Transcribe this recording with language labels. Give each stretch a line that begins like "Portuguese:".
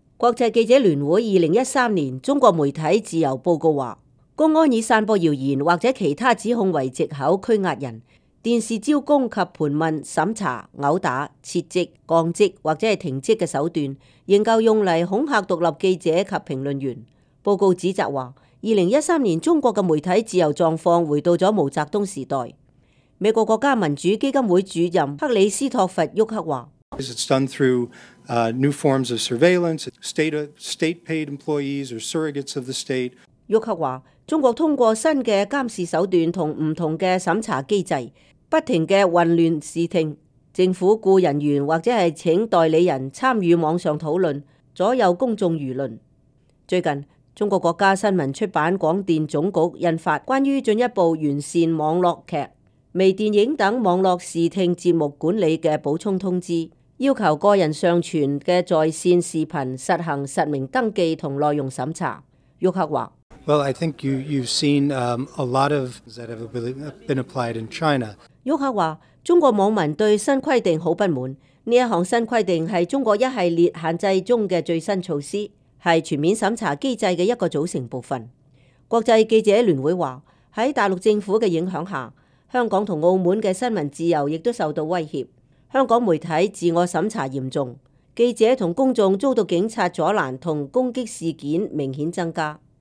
Chinese: 国际记者联会2013年中国媒体自由报告说，公安以散播谣言或者其他指控为藉口拘押人，电视招供及盘问、审查、殴打、撤职、降职或者停职的手段仍够用来恐吓独立记者及评论员。报告指责说，2013年中国的媒体自由状况回到了毛泽东时代。美国国家民主基金会主任克里斯托弗·沃克说，
English: It's done through new forms of surveillance, state-paid employees or surrogates of the state.
Chinese: 沃克说，中国通过新的监视手段和不同的审查机制，不停的混乱视听，政府雇人员或者是请代理人参与网上讨论，左右公众舆论。最近中国国家新闻出版广电总局印发关于进一步完善网络剧、微电影等网络视听节目管理的补充通知，要求个人上传的在线视频实行实名登记和内容审查。沃克说，
English: Well, I think you've seen a lot of that have been applied in China.
Chinese: 沃克说，中国网民对新规定很不满，这一项新规定是中国一系列限制中的最新措施，是全面审查机制的一个组成部分。国际记者联会说，在大陆政府的影响下，香港和澳门的新闻自由亦都受到威胁，香港媒体自我审查严重，记者和公众遭到警察阻拦和攻击事件明显增加。